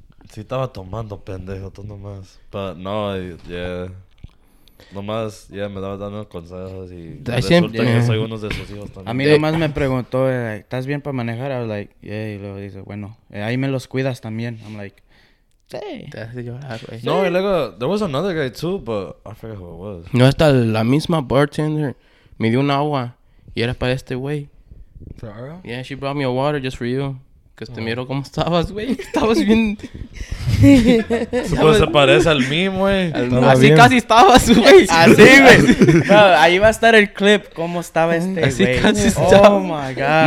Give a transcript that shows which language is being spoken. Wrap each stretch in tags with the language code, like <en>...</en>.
<es>Sí, estaba tomando, pendejo, tú nomás.</es> <en>But no, yeah.</en> <es>Nomás, ya me daba dando consejos y resulta que soy uno de sus hijos también. A mí nomás me preguntó, ¿estás bien para manejar?</es> <en>I was like, yeah.</en> <es>Y luego dice, bueno, ahí me los cuidas también.</es> <en>I'm like, hey.</en> <es>No, y luego,</es> <en>there was another guy too, but I forget who it was.</en> <es>No, hasta la misma bartender me dio un agua y era para este güey. ¿Para?</es> <en>Yeah, she brought me a water just for you.</en> <es>Que te miro cómo estabas, güey. Estabas bien. Pues se parece al mismo, güey. Así bien. Casi estabas, güey. Así, güey. No, ahí va a estar el clip. ¿Cómo estaba este, güey? Así wey. Casi estaba.</es> <en>Oh, my God.</en>